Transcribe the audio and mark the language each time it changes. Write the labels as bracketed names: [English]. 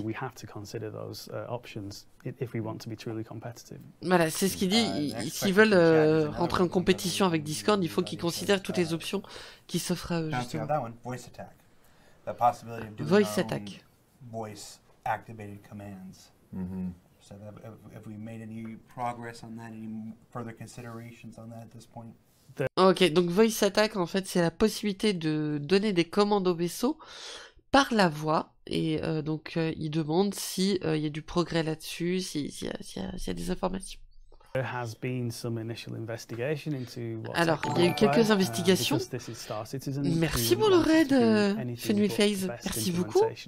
[English] We have to consider those options if we want to be truly competitive. [French] Voilà, c'est ce qu'il dit. S'ils veulent rentrer en compétition avec Discord, il faut qu'ils considèrent toutes les options qui s'offrent à eux, justement. [English] Voice attack. The possibility of doing voice attack. Voice activated commands. Mm-hmm. So have we made any progress on that, any further considerations on that at this point? [French] Ok, donc Voice Attack, en fait, c'est la possibilité de donner des commandes au vaisseau par la voix. Et donc, il demande s'il y a du progrès là-dessus, s'il y a des informations. [English] There has been some initial investigation into what's [French] Alors, il y a eu quelques investigations. Merci pour le raid, Fenwayface. Merci beaucoup.